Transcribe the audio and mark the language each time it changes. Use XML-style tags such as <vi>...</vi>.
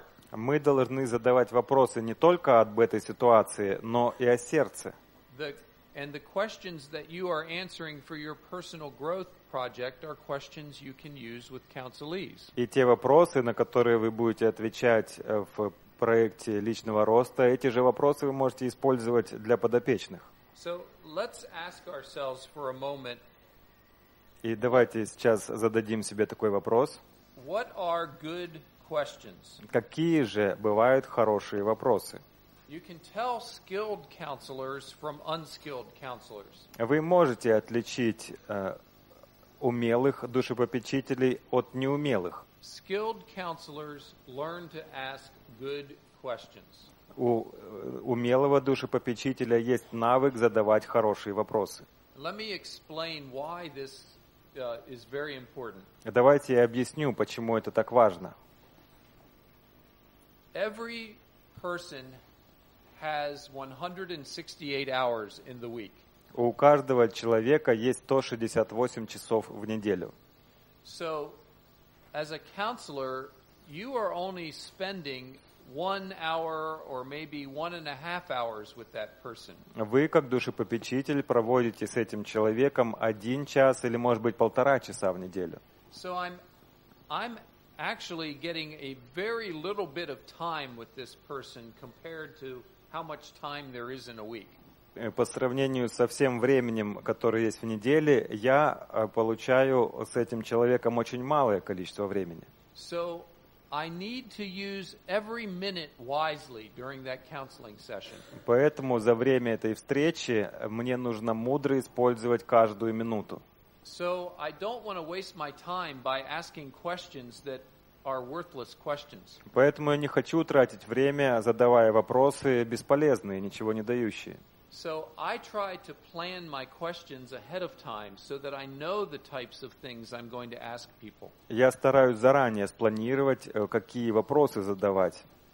<ru>Мы должны задавать вопросы не только об этой ситуации, но и о сердце.</ru> <en>And the questions that you are answering for your personal growth project are questions you can use with counselees.</en> <ru>И те вопросы, на которые вы будете отвечать в проекте личного роста, эти же вопросы вы можете использовать для подопечных.</ru> <en>So let's ask ourselves for a moment.</en> <ru>И давайте сейчас зададим себе такой вопрос.</ru> <en>What are good questions?</en> <ru>Какие же бывают хорошие вопросы?</ru> <en>You can tell skilled counselors from unskilled counselors.</en> <ru>Вы можете отличить умелых душепопечителей от неумелых.</ru> <en>Skilled counselors learn to ask good questions.</en> <ru>У умелого душепопечителя есть навык задавать хорошие вопросы.</ru> <en>Let me explain why this is very important.</en> <ru>Давайте я объясню, почему это так важно.</ru> <en>Every person has 168 hours in the week.</en> <ru>У каждого человека есть 168 часов в неделю.</ru> <en>So, as a counselor, you are only spending 1 hour or maybe 1.5 hours with that person.</en> <ru>Вы, как душепопечитель, проводите с этим человеком 1 час или, может быть, 1.5 часа в неделю.</ru> <en>So I'm actually getting a very little bit of time with this person compared to how much time there is in a week.</en> <ru>По сравнению со всем временем, которое есть в неделе, я получаю с этим человеком очень малое количество времени.</ru> <en>So I need to use every minute wisely during that counseling session.</en> <ru>Поэтому за время этой встречи мне нужно мудро использовать каждую минуту.</ru> <en>So I don't want to waste my time by asking questions that are worthless questions.</en> <ru>Поэтому я не хочу тратить время, задавая вопросы бесполезные, ничего не дающие.</ru> <en>So I try to plan my questions ahead of time so that I know the types of things I'm going to ask people.</en> <ru>Я стараюсь заранее спланировать, какие вопросы задавать.</ru>